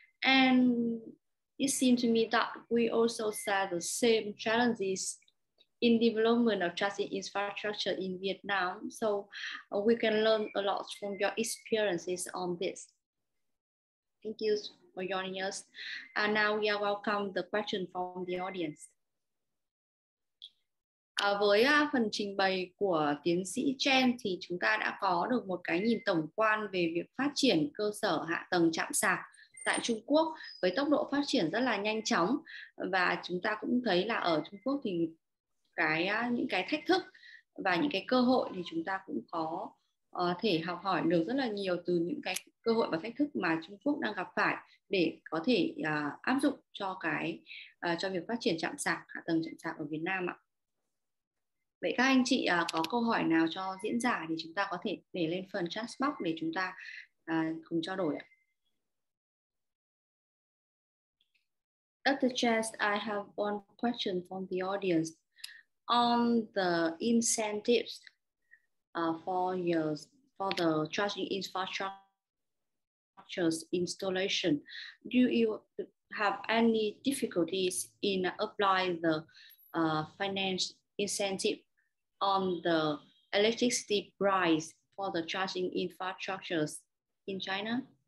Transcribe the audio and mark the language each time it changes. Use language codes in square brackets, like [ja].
[en] And it seems to me that we also share the same challenges in development of charging infrastructure in Vietnam. So we can learn a lot from your experiences on this. Thank you for joining us. And now we are welcome the question from the audience. [vi] Với phần trình bày của tiến sĩ Chen thì chúng ta đã có được một cái nhìn tổng quan về việc phát triển cơ sở hạ tầng chạm sạc tại Trung Quốc với tốc độ phát triển rất là nhanh chóng. Và chúng ta cũng thấy là ở Trung Quốc thì những cái thách thức và những cái cơ hội thì chúng ta cũng có thể học hỏi được rất là nhiều từ những cái cơ hội và thách thức mà Trung Quốc đang gặp phải để có thể áp dụng cho cho việc phát triển chạm sạc, hạ tầng chạm sạc ở Việt Nam ạ. Vậy các anh chị có câu hỏi nào cho diễn giả thì chúng ta có thể để lên phần chat box để chúng ta cùng trao đổi ạ. [en] Dr. Chess, I have one question from the audience on the incentives for the charging infrastructure's installation. Do you have any difficulties in applying the finance incentive on the electricity price for the charging infrastructures in China?